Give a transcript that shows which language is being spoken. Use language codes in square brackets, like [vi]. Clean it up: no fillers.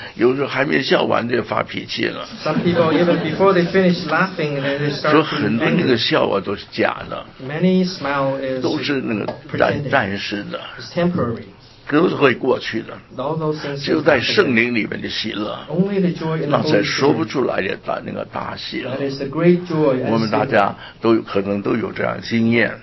[zh] 有时候还没笑完就发脾气了 [en] Some people even before they finish laughing then they start [zh] 说很多那个笑啊都是假的 [en] Many smile is [zh] 都是那个 [en] pretending. [zh] 暂时的 [en] It's temporary. [zh] 都是会过去的 [en] All those things [zh] 就在圣灵里面的喜乐 [en] Only the joy in the Holy Spirit. [zh] 那才说不出来的那个大喜乐 [en] That is the great joy. [zh] 我们大家都可能都有这样经验